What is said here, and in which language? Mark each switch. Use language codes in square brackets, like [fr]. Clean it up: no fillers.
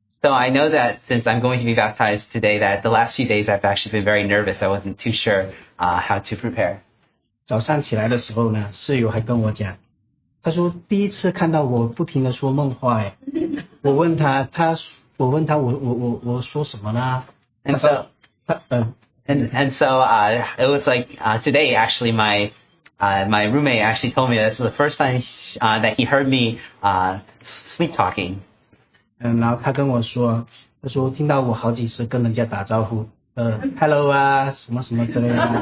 [en] So I know that since I'm going to be baptized today, that the last few days I've actually been very nervous. I wasn't too sure how to prepare. [zh] 早上起来的时候呢，室友还跟我讲，他说第一次看到我不停的说梦话哎，我问他我说什么呢？他说他 [en] It was like today actually my. My roommate actually told me this was the first time that he heard me sleep talking. [zh] 然后他跟我说，他说听到我好几次跟人家打招呼，hello 啊，什么什么之类的。